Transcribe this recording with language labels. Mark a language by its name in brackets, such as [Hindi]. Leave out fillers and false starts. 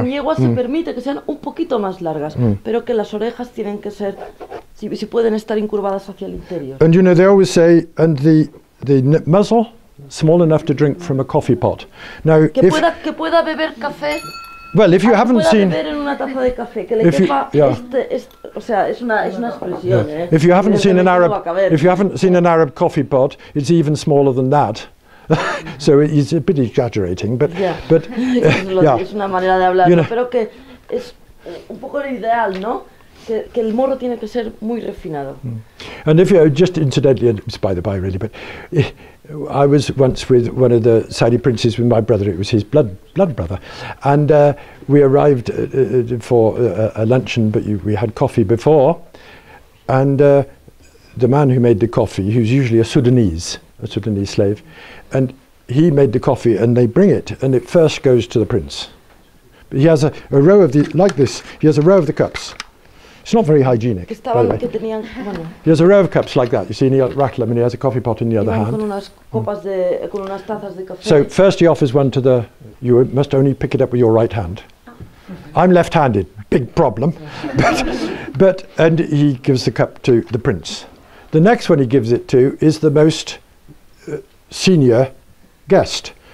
[Spanish] En yegua se permite que sean un poquito más largas, pero que las orejas tienen que ser si pueden estar incurvadas hacia el interior. [English] And you know they always say and the muzzle, small enough to drink from a coffee pot. [Spanish] Now, que pueda beber café. [English] Well, if you haven't seen, if you haven't seen an Arab, if you haven't seen an Arab coffee pot, it's even smaller than that. So it's a bit exaggerating, but yeah. But [Spanish] yeah, es una manera de hablar, [English] you know, [Spanish] pero que es un poco el ideal, ¿no? Que el morro tiene que ser muy refinado. [English] And if you just incidentally, it's by the by, really, but I was once with one of the Saudi princes with my brother. It was his blood brother, and we arrived for a luncheon, but we had coffee before, and the man who made the coffee, he was usually a Sudanese slave, and he made the coffee, and they bring it, and it first goes to the prince. But he has a row of the, like this, he has a row of the cups. It's not very hygienic, [Spanish] que [English] by the way. [Spanish] Que tenían, bueno. [English] He has a row of cups like that, you see, and he'll rattle them, and he has a coffee pot in the [Spanish] y [English] other hand. [Spanish] Con unas copas de, con unas tazas de café. [English] So first he offers one to the, you must only pick it up with your right hand. I'm left-handed, big problem. But and he gives the cup to the prince. The next one he gives it to is the most senior guest.